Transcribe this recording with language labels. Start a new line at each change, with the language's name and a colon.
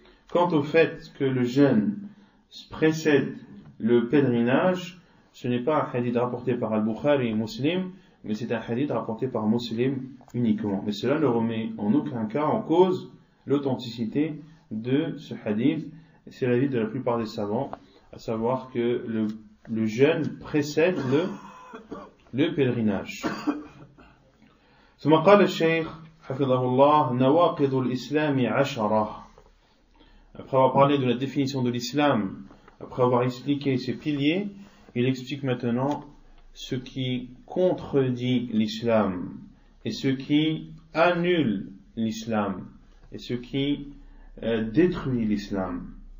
French: Quant au fait que le jeûne précède le pèlerinage, ce n'est pas un hadith rapporté par Al-Bukhari et Muslim, mais c'est un hadith rapporté par Muslim uniquement. Mais cela ne remet en aucun cas en cause l'authenticité de ce hadith. C'est l'avis de la plupart des savants, à savoir que le jeûne précède le pèlerinage.
Arabic: ثم قال الشيخ حفظه الله نواقض الإسلام عشرة.
French: Après avoir parlé de la définition de l'islam, après avoir expliqué ses piliers, il explique maintenant ce qui contredit l'islam et ce qui annule l'islam et ce qui détruit l'islam.